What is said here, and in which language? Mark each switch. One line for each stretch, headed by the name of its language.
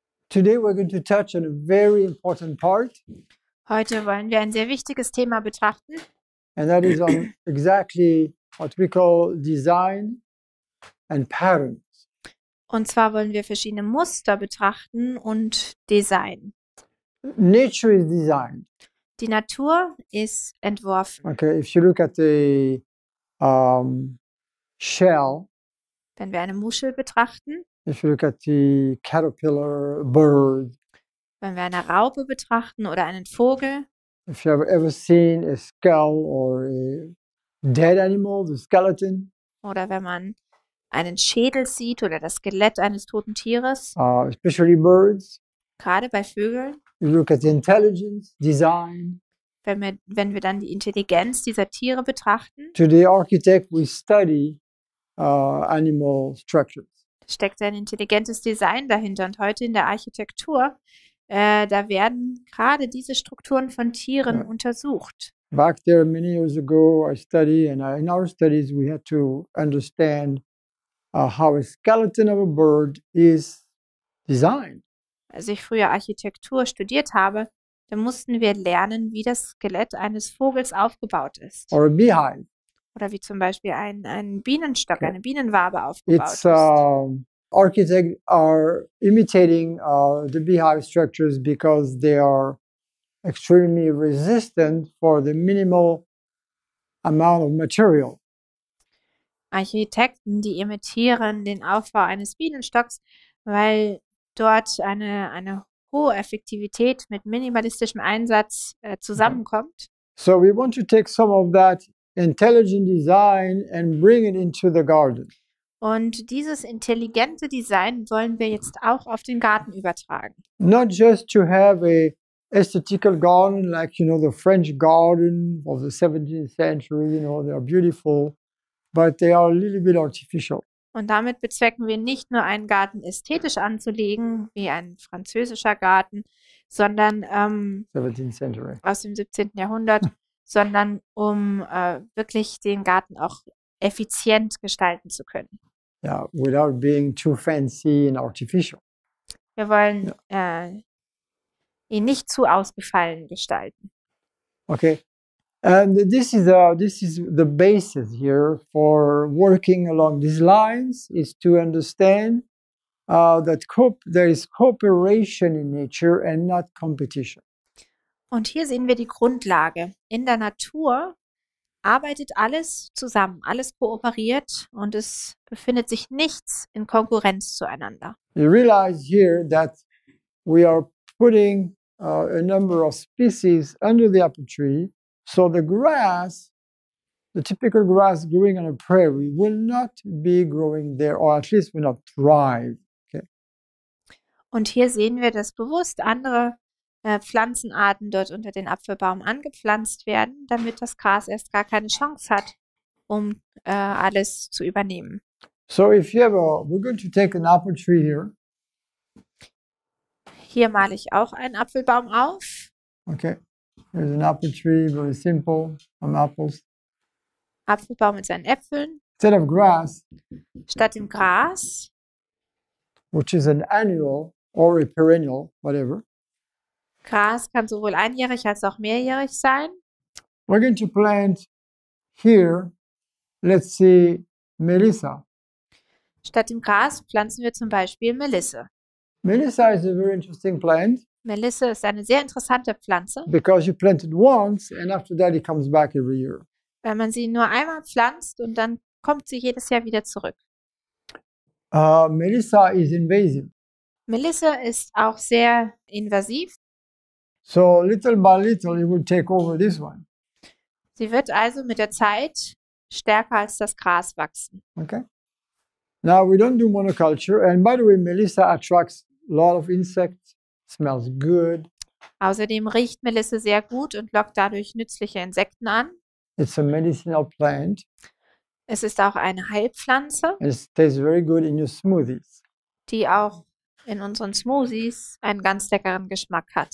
English: Today we're going to touch on a very important part.
German: Heute wollen wir ein sehr wichtiges Thema betrachten.
English: And that is on exactly what we call design and patterns.
German: Und zwar wollen wir verschiedene Muster betrachten und Design.
English: Nature is designed.
German: Die Natur ist entworfen.
English: Okay, if you look at the shell.
German: Wenn wir eine Muschel betrachten.
English: If you look at the caterpillar bird.
German: Wenn wir eine Raupe betrachten oder einen Vogel.
English: If you have ever seen a skull or a dead animal, the skeleton.
German: Oder wenn man einen Schädel sieht oder das Skelett eines toten Tieres.
English: Especially birds.
German: Gerade bei Vögeln.
English: You look at the intelligence, design.
German: Wenn wir dann die Intelligenz dieser Tiere betrachten.
English: To the architect, we study animal structures.
German: Steckt ein intelligentes Design dahinter. Und heute in der Architektur, da werden gerade diese Strukturen von Tieren untersucht.
English: Back there many years ago, I studied, and in our studies, we had to understand how a skeleton of a bird is designed.
German: Als ich früher Architektur studiert habe, da mussten wir lernen, wie das Skelett eines Vogels aufgebaut ist.
English: Or a beehive.
German: Oder wie zum Beispiel ein Bienenstock, eine Bienenwabe aufgebaut ist.
English: Architects are imitating the beehive structures because they are extremely resistant for the minimal amount of material.
German: Architekten, die imitieren den Aufbau eines Bienenstocks, weil dort eine hohe Effektivität mit minimalistischem Einsatz zusammenkommt.
English: So we want to take some of that intelligent design and bring it into the garden.
German: Und dieses intelligente Design wollen wir jetzt auch auf den Garten übertragen.
English: Not just to have a aesthetical garden like you know the French garden of the 17th century, you know, they are beautiful, but they are a little bit artificial.
German: Und damit bezwecken wir nicht nur einen Garten ästhetisch anzulegen, wie ein französischer Garten, sondern
English: 17th century.
German: Aus dem 17. Jahrhundert. sondern um wirklich den Garten auch effizient gestalten zu können.
English: Ja, yeah, without being too fancy and artificial.
German: Wir wollen ihn nicht zu ausgefallen gestalten.
English: Okay, and this is the basis here for working along these lines is to understand there is cooperation in nature and not competition.
German: Und hier sehen wir die Grundlage. In der Natur arbeitet alles zusammen, alles kooperiert und es befindet sich nichts in Konkurrenz zueinander.
English: You realize here that we are putting a number of species under the apple tree, so the grass, the typical grass growing on a prairie, will not be growing there or at least will not thrive. Okay.
German: Und hier sehen wir, dass bewusst andere Pflanzenarten dort unter den Apfelbaum angepflanzt werden, damit das Gras erst gar keine Chance hat, um alles zu übernehmen.
English: So if you have we're going to take an apple tree here.
German: Hier male ich auch einen Apfelbaum auf.
English: Okay. There's an apple tree, very simple, on apples.
German: Apfelbaum mit seinen Äpfeln.
English: Instead of grass.
German: Statt dem Gras.
English: Which is an annual or a perennial, whatever.
German: Gras kann sowohl einjährig als auch mehrjährig sein.
English: We're going to plant here, let's see, Melissa.
German: Statt dem Gras pflanzen wir zum Beispiel Melisse.
English: Melissa is a very interesting plant.
German: Melisse ist eine sehr interessante Pflanze.
English: Because you plant it once and after that it comes back every year.
German: Weil man sie nur einmal pflanzt und dann kommt sie jedes Jahr wieder zurück.
English: Melissa is invasive.
German: Melisse ist auch sehr invasiv.
English: So little by little, it will take over this one.
German: Sie wird also mit der Zeit stärker als das Gras wachsen.
English: Okay. Now we don't do monoculture, and by the way, Melissa attracts a lot of insects. Smells good.
German: Außerdem riecht Melisse sehr gut und lockt dadurch nützliche Insekten an.
English: It's a medicinal plant.
German: Es ist auch eine Heilpflanze.
English: It tastes very good in your smoothies.
German: Die auch in unseren Smoothies einen ganz leckeren Geschmack hat.